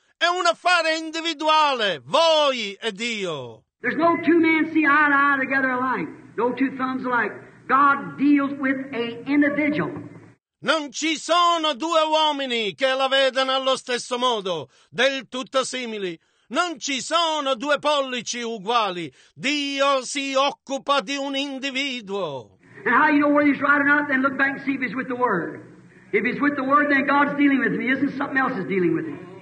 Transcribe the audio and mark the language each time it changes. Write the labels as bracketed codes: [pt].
[it] È un affare individuale, voi e Dio. [en] There's no two men see eye to eye together alike. No two thumbs alike. God deals with a individual. [it] Non ci sono due uomini che la vedano allo stesso modo, del tutto simili. Non ci sono due pollici uguali. Dio si occupa di un individuo. [en] And how you know whether he's right or not, then look back and see if he's with the Word. If he's with the Word, then God's dealing with him. He isn't something else is dealing with him.